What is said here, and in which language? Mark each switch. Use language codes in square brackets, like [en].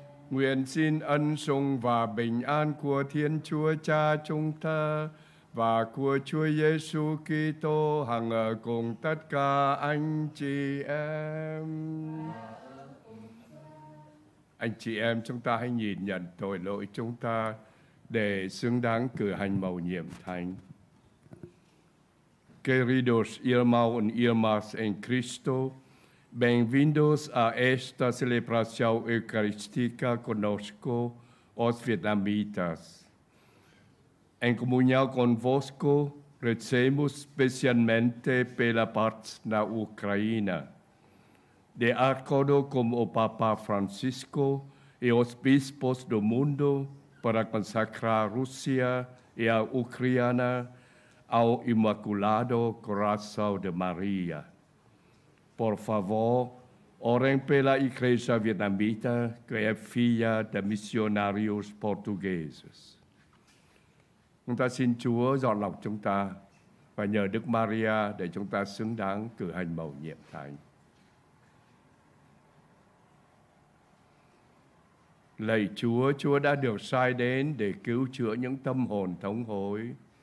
[vi] Nguyện xin ân sủng và bình an của Thiên Chúa Cha chúng ta và của Chúa Giêsu Kitô hằng ở cùng tất cả anh chị em. Anh chị em, chúng ta hãy nhìn nhận tội lỗi chúng ta để xứng đáng cử hành mầu nhiệm thánh. [pt] Queridos irmãos [es] y hermanas en Cristo, bienvenidos a esta celebración eucarística con nosotros, vietnamitas. En comunión con vosotros, recemos especialmente por la paz en Ucrania. De acuerdo con el Papa Francisco y los obispos del mundo para consagrar Rusia y a Ucrania al Inmaculado Corazón de María. Por favor, oren por la Iglesia vietnamita que es hija de misionarios portugueses. [vi] Chúng ta xin Chúa dọn lọc chúng ta và nhờ Đức Maria để chúng ta xứng đáng cử hành mầu nhiệm thánh. Lạy Chúa, Chúa đã được sai đến để cứu chữa những tâm hồn thống hối.